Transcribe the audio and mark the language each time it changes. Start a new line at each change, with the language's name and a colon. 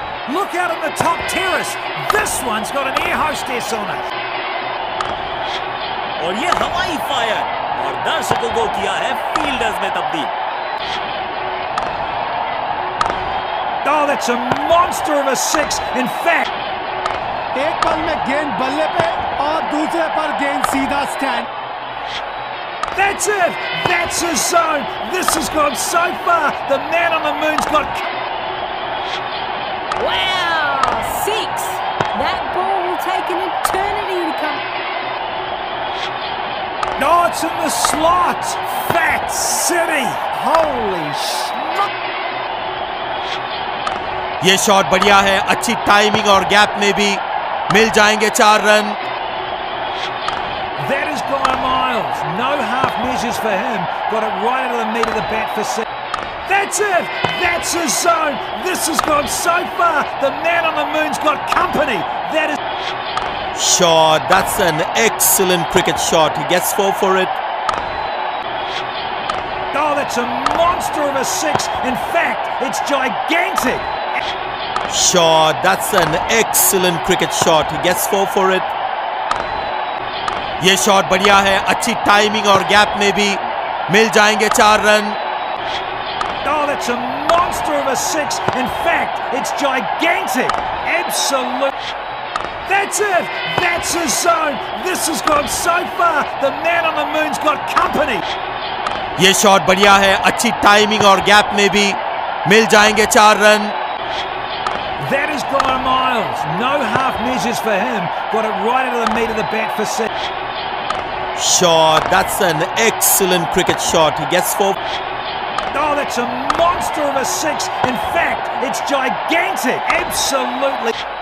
English: Look out on the top terrace. This one's got an air hostess on it.
Hindi: और ये हवाई fire और दर्शकों को किया है फील्डर्स में तब्दील.
English: Oh, that's a monster of a six. In fact,
Hindi: एक पल में गेंद बल्ले पे और दूसरे पर गेंद सीधा stand.
English: That's it. That's his zone. This has gone so far. The man on the moon's got. Wow, six. That ball will take an eternity to come. No, it's in the slot. Fat City. Holy schmuck.
Hindi: ये shot बढ़िया है. अच्छी timing और gap में भी मिल जाएंगे चार run.
English: That is Guy Miles. No half measures for him. Got it right out of the meat of the bat for six. That's it. That's his zone. This has gone so far. The man on the moon's got company. That is. Shot. That's an excellent cricket shot. He gets four for it. Oh, that's a monster of a six. In fact, it's gigantic. Shot. That's an excellent cricket shot. He gets four for it.
Hindi: ये shot बढ़िया है. अच्छी timing और gap में भी मिल जाएंगे चार run.
English: Oh, that's a monster of a six. In fact, it's gigantic. Absolute. That's it. That's his zone. This has gone so far. The man on the moon's got company.
Hindi: ये shot बढ़िया है. अच्छी timing और gap में भी मिल जाएंगे चार run.
English: That is Guy Miles. No half measures for him. Got it right out of the meat of the bat for six. Shot. That's an excellent cricket shot. He gets four. Oh, that's a monster of a six. In fact, it's gigantic. Absolutely.